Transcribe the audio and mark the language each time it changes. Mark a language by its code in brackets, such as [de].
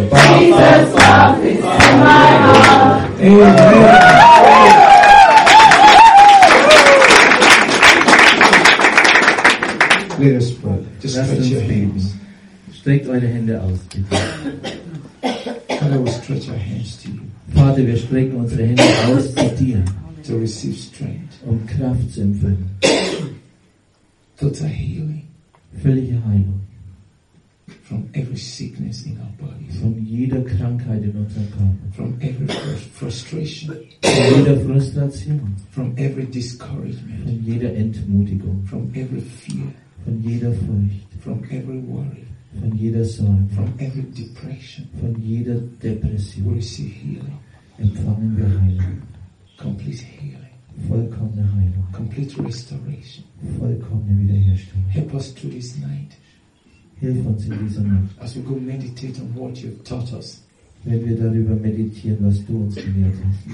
[en] Jesus' love is in my heart. [de] Streckt eure Hände aus. [en] Father, we stretch our hands to you. [de] Vater, wir strecken unsere Hände aus zu dir. [en] To receive strength. [de] Um Kraft zu empfangen. [en] Total healing. [de] Völlige Heilung. [en] From every sickness in our bodies. [de] Von jeder Krankheit in unserem Körper. [en] From every frustration. [de] Von jeder Frustration. [en] From every discouragement. [de] Von jeder Entmutigung. [en] From every fear. [de] Von jeder Furcht. [en] From every worry. [de] Von jeder Sorge. [en] From every depression. [de] Von jeder Depression. [en] We see healing. [de] Empfangen wir Heilung. [en] Complete healing. [de] Vollkommene Heilung. [en] Complete restoration. [de] Vollkommene Wiederherstellung. [en] Help us through this night. [de] Hilf uns in dieser Nacht. [en] As we go meditate on what you've taught us. [de] Wenn wir darüber meditieren, was du uns gelehrt hast.